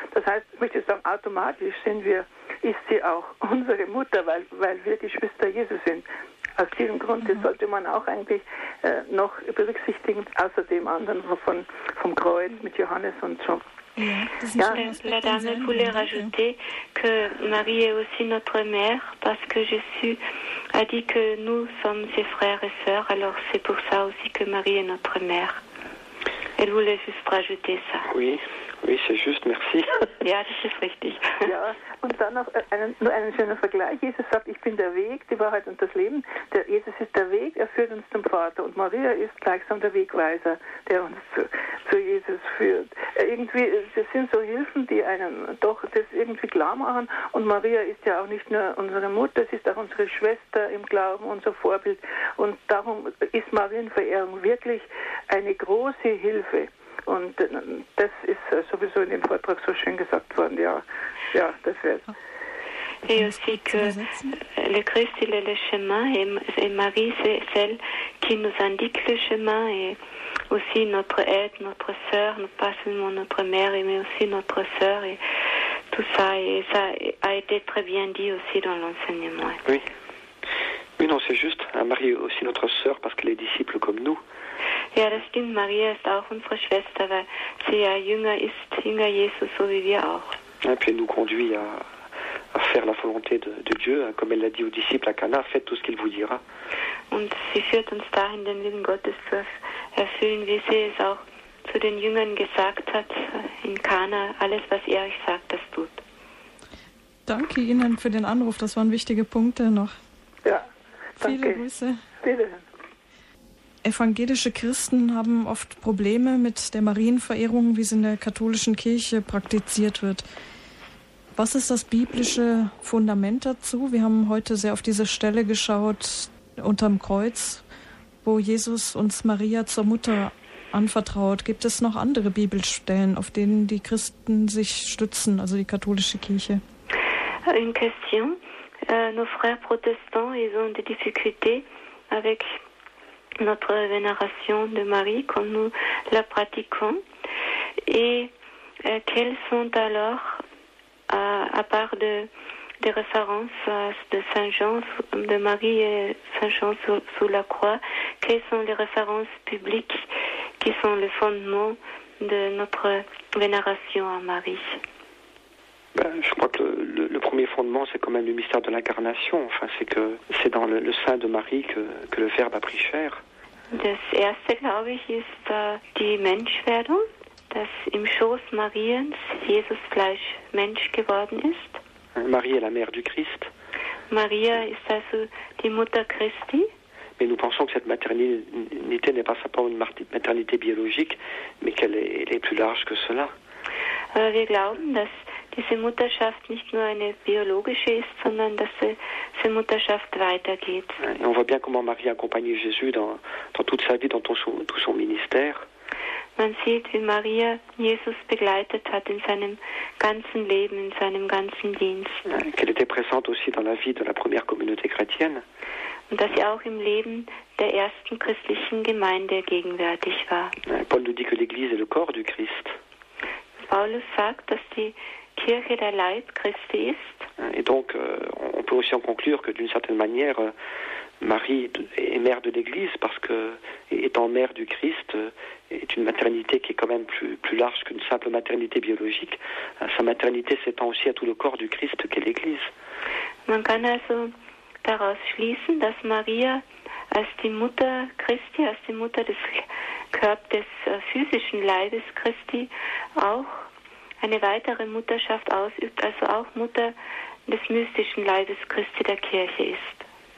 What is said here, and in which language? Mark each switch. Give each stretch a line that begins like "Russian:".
German: Das heißt, ich möchte sagen, automatisch ist sie auch unsere Mutter, weil wir Geschwister Jesu sind. Aus diesem Grund, das sollte man auch eigentlich noch berücksichtigen, außer dem anderen vom Kreuz mit Johannes und so. Ja.
French: La dame voulait rajouter que Marie est aussi notre mère, parce que Jésus a dit que nous sommes ses frères et sœurs, alors c'est pour ça aussi que Marie est notre mère. Elle voulait juste rajouter ça. Oui, c'est juste, merci.
German: Ja, das ist richtig. Ja, und dann noch einen schönen Vergleich. Jesus sagt, ich bin der Weg, die Wahrheit und das Leben. Jesus ist der Weg, er führt uns zum Vater. Und Maria ist gleichsam der Wegweiser, der uns zu Jesus führt. Irgendwie, das sind so Hilfen, die einem doch das irgendwie klar machen. Und Maria ist ja auch nicht nur unsere Mutter, sie ist auch unsere Schwester im Glauben, unser Vorbild. Und darum ist Marienverehrung wirklich eine große Hilfe. Und das ist sowieso in dem Vortrag so schön gesagt worden, ja, das wäre es.
French: Et aussi que le Christ, il est le chemin, et Marie, c'est celle qui nous indique le chemin, et aussi notre aide, notre sœur, pas seulement notre mère, mais aussi notre sœur, et tout ça, et ça a été très bien dit aussi dans l'enseignement. Oui, non, c'est juste, Marie est aussi notre sœur, parce qu'elle est disciple comme nous.
German: Ja, das stimmt, Maria ist auch unsere Schwester, weil sie ja jünger ist, jünger Jesus, so wie wir auch.
French: Et puis elle nous conduit à faire la volonté de Dieu, comme elle l'a dit aux disciples à Cana, faites tout ce qu'il vous dira.
German: Und sie führt uns dahin, den Willen Gottes zu erfüllen, wie sie es auch zu den Jüngern gesagt hat in Cana, alles, was er euch sagt, das tut. Danke Ihnen für den Anruf, das waren wichtige Punkte noch. Ja, danke. Viele Grüße. Wiederhören. Evangelische Christen haben oft Probleme mit der Marienverehrung, wie sie in der katholischen Kirche praktiziert wird. Was ist das biblische Fundament dazu? Wir haben heute sehr auf diese Stelle geschaut, unterm Kreuz, wo Jesus uns Maria zur Mutter anvertraut. Gibt es noch andere Bibelstellen, auf denen die Christen sich stützen, also die katholische Kirche?
French: Une question. Nos frères protestants, ils ont des difficultés avec notre vénération de Marie comme nous la pratiquons. Et quels sont alors, à part de des références de Saint Jean, de Marie et Saint Jean sous la croix. Quelles sont les références publiques qui sont le fondement de notre vénération à Marie? Ben, je crois que le premier fondement, c'est quand même le mystère de l'incarnation. Enfin, c'est que c'est dans le sein de Marie que le Verbe a pris chair.
German: Das erste, glaube ich, ist die Menschwerdung, dass im Schoß Mariens Jesus Fleisch Mensch geworden ist.
French: Marie est la mère du Christ.
German: Maria ist also die Mutter Christi.
French: Mais nous pensons que cette maternité n'est pas simplement une maternité biologique, mais qu'elle est plus large que cela.
German: Wir glauben, dass diese Mutterschaft nicht nur eine biologische ist, sondern dass diese Mutterschaft weitergeht.
French: Et on voit bien comment Marie a accompagné Jésus dans toute sa vie, dans tout son ministère.
German: Man sieht, wie Maria Jesus begleitet hat in seinem ganzen Leben, in seinem ganzen Dienst.
French: Qu'elle était présente aussi dans la vie de la première communauté chrétienne.
German: Und dass sie auch im Leben der ersten christlichen Gemeinde gegenwärtig war.
French: Paul nous dit que l'Église est le corps du Christ.
German: Paulus sagt, dass die Kirche der Leib Christi ist.
French: Et donc, on peut aussi en conclure que d'une certaine manière, Marie est mère de l'Église parce que étant mère du Christ est une maternité qui est quand même plus large qu'une simple maternité biologique. Sa maternité s'étend aussi à tout le corps du Christ qu'est l'Église.
German: Man kann also daraus schließen, dass Maria als die Mutter Christi, als die Mutter des Körpers, des physischen Leibes Christi, auch eine weitere Mutterschaft ausübt, also auch Mutter des mystischen Leibes Christi der Kirche ist.